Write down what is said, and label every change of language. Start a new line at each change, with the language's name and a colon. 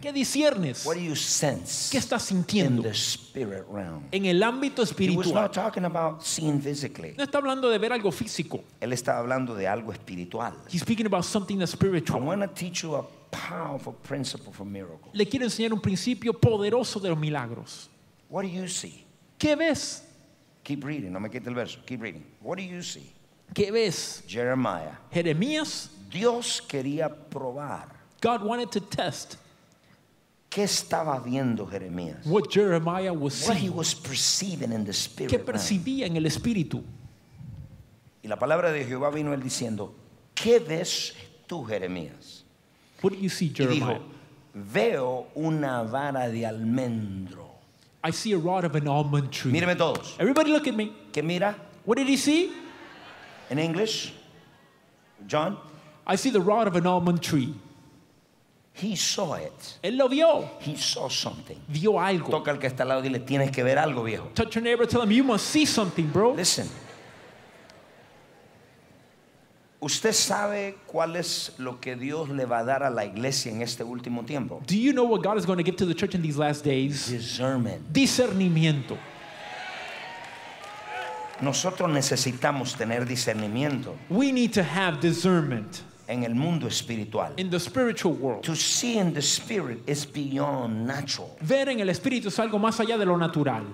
Spanish: ¿Qué discernes?
English: What do you sense?
Spanish: ¿Qué estás sintiendo?
English: In the spirit realm.
Spanish: En el ámbito espiritual.
English: He was not talking about seeing physically.
Spanish: No está hablando de ver algo físico. Él está hablando de algo espiritual.
English: He's speaking about something that's spiritual. I want to teach you a powerful principle for miracles.
Spanish: Le quiero enseñar un principio poderoso de los milagros.
English: What do you see?
Spanish: ¿Qué ves?
English: Keep reading, no me quite el verso. Keep reading. What do you see?
Spanish: ¿Qué ves?
English: Jeremiah.
Spanish: Jeremías. Dios quería probar.
English: God wanted to test.
Spanish: ¿Qué estaba viendo Jeremías?
English: What Jeremiah was seeing. What he was perceiving in the spirit.
Spanish: ¿Qué percibía en el espíritu? Y la palabra de Jehová vino él diciendo, ¿qué ves tú, Jeremías?
English: What do you see, Jeremiah?
Spanish: Y dijo, veo una vara de almendro.
English: I see a rod of an almond tree.
Spanish: Míreme todos.
English: Everybody look at me.
Spanish: ¿Qué mira?
English: What did he see? In English? John? I see the rod of an almond tree. He saw it.
Spanish: Él lo vio.
English: He saw something.
Spanish: Vio algo. Toca al que está al lado y dile, tienes que ver algo, viejo.
English: Touch your neighbor, tell him, you must see something, bro. Listen.
Spanish: ¿Usted sabe cuál es lo que Dios le va a dar a la iglesia en este último tiempo?
English: Do you know what God is going to give to the church in these last days? Discernment.
Spanish: Discernimiento. Nosotros necesitamos tener discernimiento.
English: We need to have discernment.
Spanish: En el mundo espiritual.
English: In the spiritual world. To see in the spirit is beyond natural.
Spanish: Ver en el espíritu es algo más allá de lo natural.